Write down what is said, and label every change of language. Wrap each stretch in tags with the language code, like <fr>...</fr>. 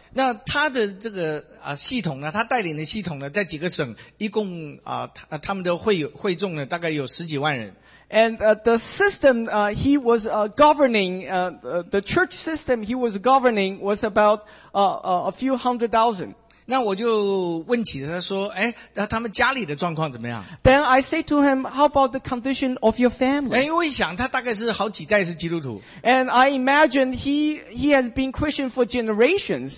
<zh>那他的这个系统呢，他带领的系统呢，在几个省，一共他们的会众呢，大概有十几万人。</zh> <en>And the system he was governing, the church system he was governing was about a few hundred thousand.</en> <zh>那我就问起他说，那他们家里的状况怎么样？</zh> <en>Then I say to him, how about the condition of your family?</en> <zh>因为想他大概是好几代是基督徒。</zh> <en>And I imagine he has been Christian for generations.</en>